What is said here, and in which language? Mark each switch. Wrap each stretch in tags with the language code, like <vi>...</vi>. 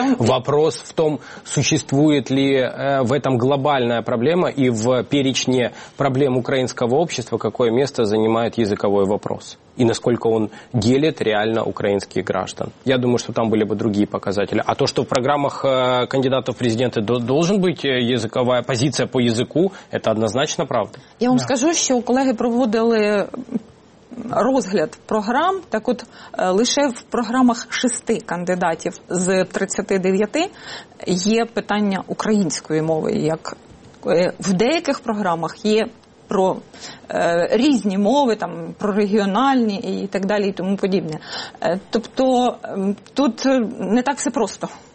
<ru>Вопрос в том, существует ли в этом глобальная проблема и в перечне проблем украинского общества, какое место занимает языковой вопрос. И насколько он делит реально украинских граждан. Я думаю, что там были бы другие показатели. А то, что в программах кандидатов в президенты должен быть языковая позиция по языку, это однозначно правда. Я вам скажу, что коллеги проводили</ru> <uk>розгляд програм, так от лише в програмах 6 кандидатів з 39 є питання української мови, як в деяких програмах є про різні мови, там, про регіональні і так далі, і тому подібне. Тобто, тут не так все просто.</uk>